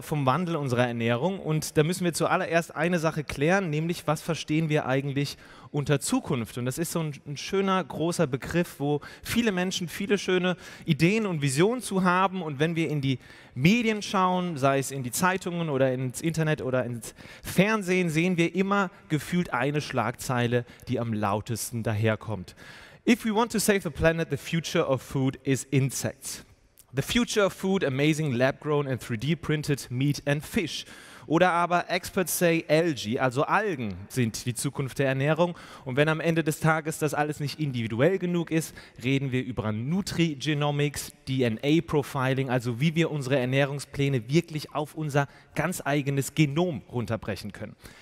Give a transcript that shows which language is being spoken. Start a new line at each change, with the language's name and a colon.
German: vom Wandel unserer Ernährung und da müssen wir zuallererst eine Sache klären, nämlich was verstehen wir eigentlich unter Zukunft und das ist so ein schöner großer Begriff, wo viele Menschen viele schöne Ideen und Visionen zu haben und wenn wir in die Medien schauen, sei es in die Zeitungen oder ins Internet oder ins Fernsehen, sehen wir immer gefühlt eine Schlagzeile, die am lautesten daherkommt.
English: If we want to save the planet, the future of food is insects. The future of food, amazing lab-grown and 3D-printed meat and fish.
German: Oder aber
English: experts say
German: algae, also Algen, sind die Zukunft der Ernährung. Und wenn am Ende des Tages das alles nicht individuell genug ist, reden wir über Nutrigenomics, DNA-Profiling, also wie wir unsere Ernährungspläne wirklich auf unser ganz eigenes Genom runterbrechen können.